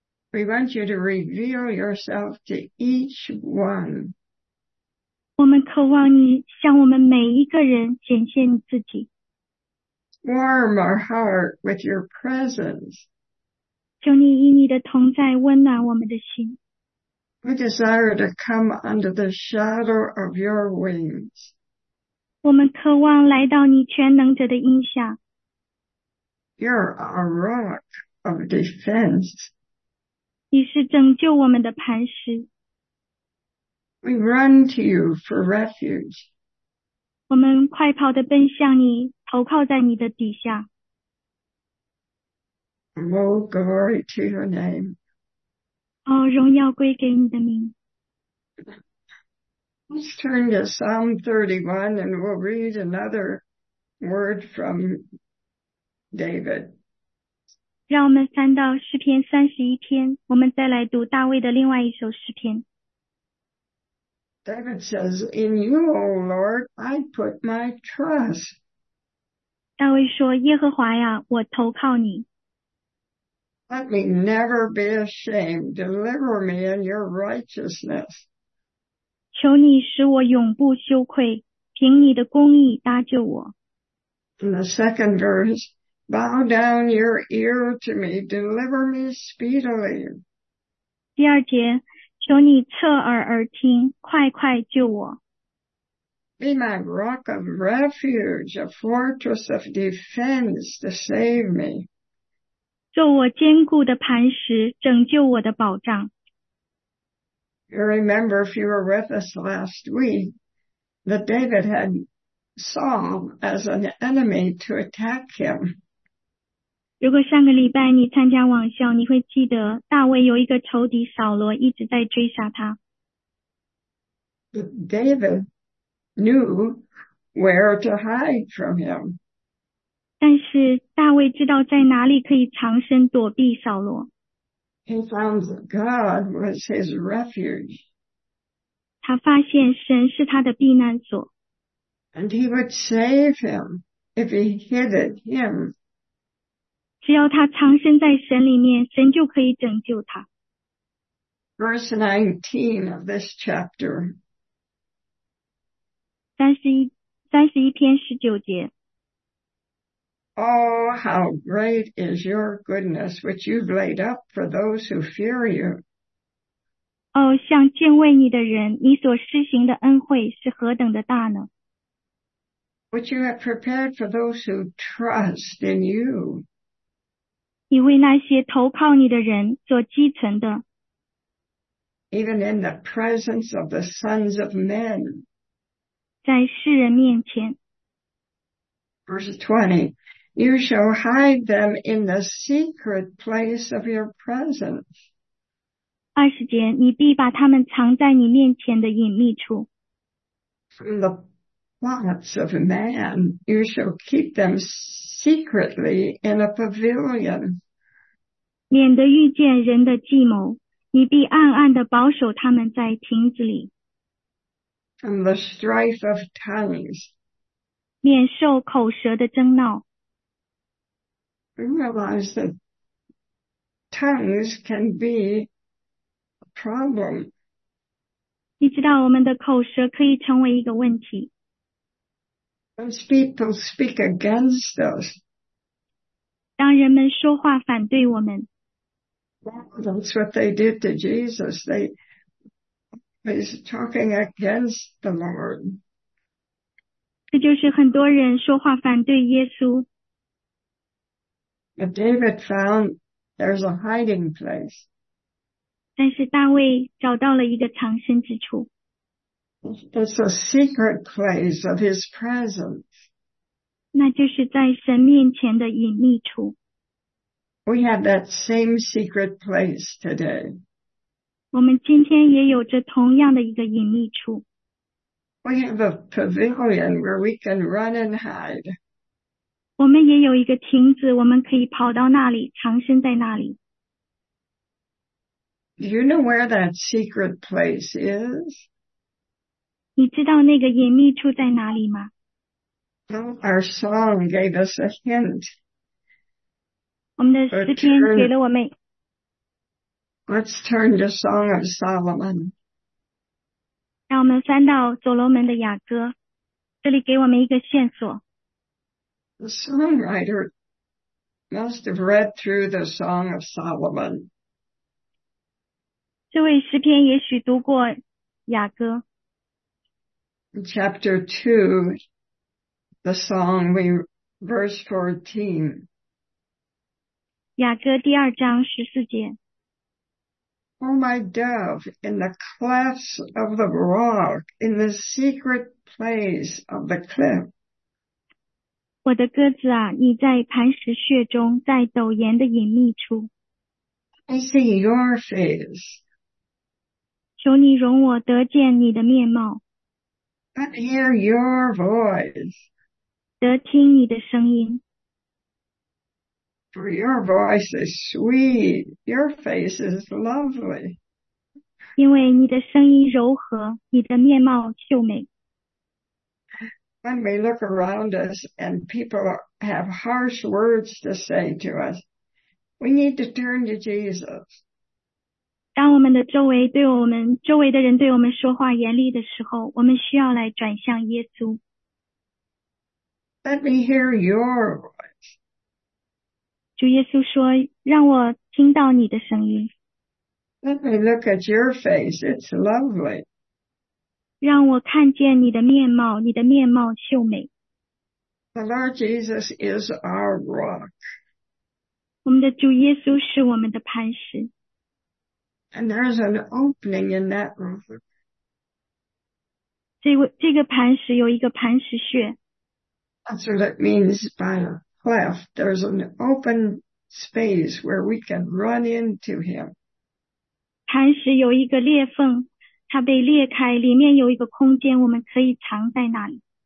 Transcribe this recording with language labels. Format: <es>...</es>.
<en>We want you to reveal yourself to each one.</en> <zh>我们渴望你向我们每一个人显现你自己。</zh> <en>Warm our heart with your presence.</en> <zh>求你以你的同在温暖我们的心。</zh> <en>We desire to come under the shadow of your wings.</en> <zh>我们渴望来到你全能者的荫下。</zh> <en>You're our rock of defense.</en> <zh>你是拯救我们的磐石。</zh> <en>We run to you for refuge.</en> <zh>我们快跑地奔向你，投靠在你的底下。</zh> <en>Oh, glory to your name.</en> <zh>哦，荣耀归给你的名。</zh> <en>Let's turn to Psalm 31 and we'll read another word from David.</en> <zh>让我们翻到诗篇31篇，我们再来读大卫的另外一首诗篇。</zh> <en>David says, In you, O Lord, I put my trust.</en> <zh>大卫说，耶和华呀，我投靠你。</zh> <en>Let me never be ashamed. Deliver me in your righteousness.</en> <zh>求你使我永不羞愧，凭你的公义搭救我。</zh> <en>In the second verse, Bow down your ear to me. Deliver me speedily.</en> <zh>第二节，求你侧耳而听，快快救我。</zh> <en>Be my rock of refuge, a fortress of defense to save me.</en> <zh>做我坚固的磐石，拯救我的保障。</zh> <en>You remember if you were with us last week that David had Saul as an enemy to attack him.</en> <zh>如果上个礼拜你参加网校，你会记得大卫有一个仇敌扫罗一直在追杀他。</zh> <en>David knew where to hide from him.</en> <zh>但是大卫知道在哪里可以藏身躲避扫罗。</zh> <en>He found that God was his refuge.</en> <zh>他发现神是他的避难所。</zh> <en>And he would save him if he hid at him.</en> <zh>只要他藏身在神里面，神就可以拯救他。</zh> <en>Verse 19 of this chapter.</en> <zh>31篇19节。</zh> <en>Oh, how great is your goodness which you've laid up for those who fear you.</en> <zh>哦，像敬畏你的人，你所施行的恩惠是何等的大呢？</zh> <en>Which you have prepared for those who trust in you.</en> <zh>你为那些投靠你的人所积存的。</zh> <en>Even in the presence of the sons of men.</en> <zh>在世人面前。</zh> <en>Verse 20. You shall hide them in the secret place of your presence.</en> <zh>20节，你必把他们藏在你面前的隐秘处。</zh> <en>From the plots of man, you shall keep them secretly in a pavilion.</en> <zh>免得遇见人的计谋，你必暗暗地保守他们在亭子里。</zh> <en>From the strife of tongues.</en> <zh>免受口舌的争闹。</zh> <en>We realize that tongues can be a problem.</en> <zh>你知道我们的口舌可以成为一个问题。</zh> <en>Those people speak against us.</en> <zh>当人们说话反对我们。</zh> <en>That's what they did to Jesus. They was talking against the Lord.</en> <zh>这就是很多人说话反对耶稣。</zh> <en>But David found there's a hiding place.</en> <zh>但是大卫找到了一个藏身之处。</zh> <en>It's a secret place of his presence.</en> <zh>那就是在神面前的隐秘处。</zh> <en>We have that same secret place today.</en> <zh>我们今天也有着同样的一个隐秘处。</zh> <en>We have a pavilion where we can run and hide.</en> <zh>我们也有一个亭子，我们可以跑到那里，藏身在那里。</zh> <en>Do you know where that secret place is?</en> <zh>你知道那个隐秘处在哪里吗？</zh> <en>Our song gave us a hint.</en> <zh>我们的诗篇给了我们。</zh> <en>Let's turn to Song of Solomon.</en> <zh>让我们翻到所罗门的雅歌，这里给我们一个线索。</zh> <en>The songwriter must have read through the Song of Solomon.</en> <zh>这位诗篇也许读过雅歌。</zh> <en>Chapter 2, the song, verse 14.</en> <zh>雅歌第二章十四节。</zh> <en>Oh, my dove, in the clefts of the rock, in the secret place of the cliff.</en> <zh>我的鸽子啊，你在磐石穴中，在陡岩的隐秘处。</zh> <en>I see your face.</en> <zh>求你容我得见你的面貌。</zh> <en>But hear your voice.</en> <zh>得听你的声音。</zh> <en>For your voice is sweet, your face is lovely.</en> <zh>因为你的声音柔和，你的面貌秀美。</zh> <en>When we look around us and people have harsh words to say to us, we need to turn to Jesus.</en> <zh>当我们的周围对我们，周围的人对我们说话严厉的时候，我们需要来转向耶稣。</zh> <en>Let me hear your voice.</en> <zh>主耶稣说，让我听到你的声音。</zh> <en>Let me look at your face, it's lovely.</en> <zh>让我看见你的面貌，你的面貌秀美。</zh> <en>The Lord Jesus is our rock.</en> <zh>我们的主耶稣是我们的磐石。</zh> <en>And there's an opening in that rock.</en> <zh>这个磐石有一个磐石穴。</zh> <en>That's what it means by cleft, there's an open space where we can run into him.</en> <zh>磐石有一个裂缝，它被裂开，里面有一个空间，我们可以藏在那里。</zh>